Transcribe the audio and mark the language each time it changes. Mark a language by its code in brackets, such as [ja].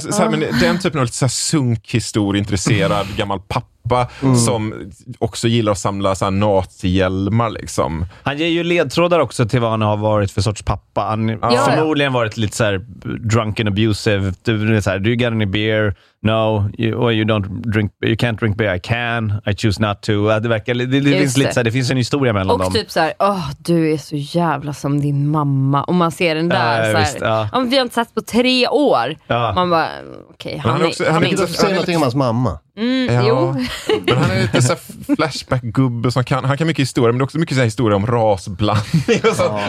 [sv] Men den typen av lite såhär sunk-historieintresserad gammal papp. Som också gillar att samla så här nazihjälmar liksom. Han ger ju ledtrådar också till vad han har varit för sorts pappa. Han har förmodligen varit lite så här [en] drunken abusive. [sv] Du är så här, [en] do you get any beer? No, you can't drink beer. I can, I choose not to. [sv] Det finns en historia mellan och dem. Och typ så här, du är så jävla som din mamma. Och man ser den där vi har inte satt på 3 år. Ja. Man bara, okej. Okay, han säger någonting om hans mamma. Men han är lite så flashback-gubbe som han kan mycket historia, men det är också mycket så här historia om rasblandning och sånt.